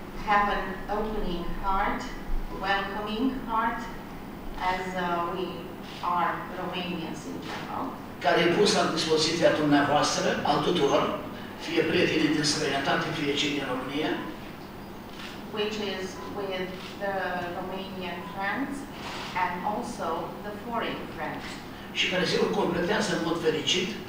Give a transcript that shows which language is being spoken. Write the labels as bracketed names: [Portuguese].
[English] Have an opening heart, welcoming heart, as we are Romanians in general. [Romanian] Care e pus la dispoziția dumneavoastră, al tuturor, fie prietenii din străinătate, fie cei din România. [English] Which is with the Romanian friends and also the foreign friends. [Romanian] Și care se completează în mod fericit.